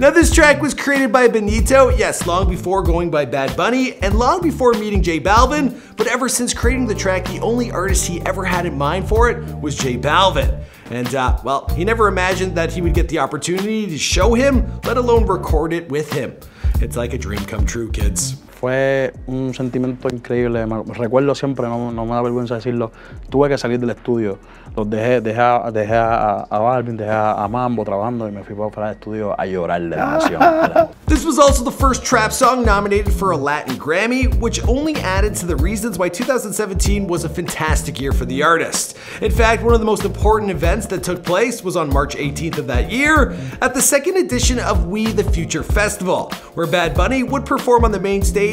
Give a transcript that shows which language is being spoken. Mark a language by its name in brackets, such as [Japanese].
[English] Now this track was created by Benito, yes, long before going by Bad Bunny, and long before meeting J Balvin, but ever since creating the track, the only artist he ever had in mind for it was J Balvin. And well, he never imagined that he would get the opportunity to show him, let alone record it with him. It's like a dream come true, kids. [Spanish] Fue un sentimiento increíble, recuerdo siempre, no me da vergüenza decirlo, tuve que salir del estudio, los dejé a Balvin, dejé a Mambo trabajando y me fui para el estudio a llorar de la nación. [English] This was also the first trap song nominated for a Latin Grammy, which only added to the reasons why 2017 was a fantastic year for the artist. In fact, one of the most important events that took place was on March 18th of that year, at the second edition of We The Future Festival, where Bad Bunny would perform on the main stage